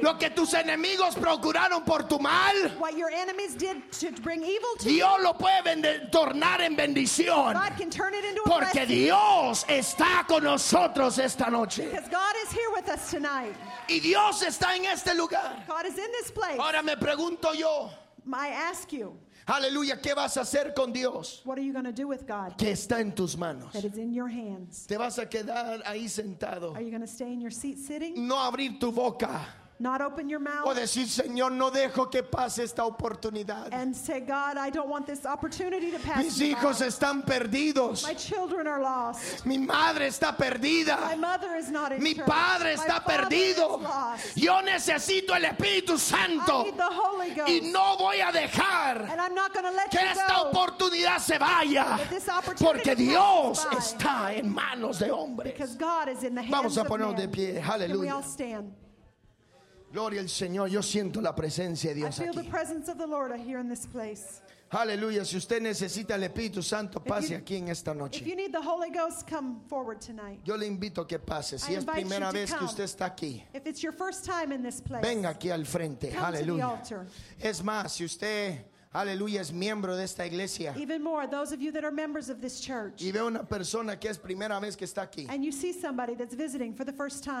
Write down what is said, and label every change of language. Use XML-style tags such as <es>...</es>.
<es>Lo que tus enemigos procuraron por tu mal,</es> <en>what your enemies did to bring evil to</en> <es>Dios</es> <en>you,</en> <es>lo puede tornar en bendición.</es> <en>God can turn it into</en> <es>porque</es> <en>a blessing.</en> <es>Dios está con nosotros esta noche.</es> <en>Because God is here with us tonight.</en> <es>Y Dios está en este lugar.</es> <en>God is in this place.</en> <es>Ahora me pregunto yo.</es> <en>I ask you.</en> <es>Aleluya, ¿qué vas a hacer con Dios?</es> <en>What are you going to do with God?</en> <es>Que está en tus manos.</es> <en>That is in your hands.</en> <es>¿Te vas a quedar ahí sentado?</es> <en>Are you going to stay in your seat sitting?</en> <es>No abrir tu boca.</es> <en>Not open your mouth.</en> <es>O decir, Señor, no dejo que pase esta oportunidad.</es> <en>And say, God, I don't want this opportunity to pass.</en> <es>Mis hijos están perdidos.</es> <en>My children are lost.</en> <es>Mi madre está perdida.</es> <en>My mother is not in church.</en> <es>Mi padre está perdido.</es> <en>My father is lost.</en> <es>Yo necesito el Espíritu Santo.</es> <en>I need the Holy Ghost.</en> <es>Y no voy a dejar.</es> <en>And I'm not going to let you</en> <es>que esta</es> <en>go.</en> <es>Oportunidad se vaya.</es> <en>But this opportunity</en> <es>porque Dios está en manos de hombres.</es> <en>Because God is in the hands.</en> <es>Vamos a ponernos de pie. Aleluya.</es> <en>Can we all stand?</en> <es>Gloria al Señor, yo siento la presencia de Dios aquí.</es> <en>I feel the presence of the Lord here in this place.</en> <es>Aleluya, si usted necesita el Espíritu Santo, pase aquí en esta noche.</es> <en>If you need the Holy Ghost, come forward tonight.</en> <es>Yo le invito a que pase, si es primera vez que usted está aquí.</es> <en>If it's your first time in this place.</en> <es>Venga aquí al frente. Aleluya.</es> <en>Come to the altar.</en> <es>Es más, si usted, aleluya, es miembro de esta iglesia.</es> <en>Even more, those of you that are members of this church.</en> <es>Y ve una persona que es primera vez que está aquí.</es> <en>And you see somebody that's visiting for the first time.</en>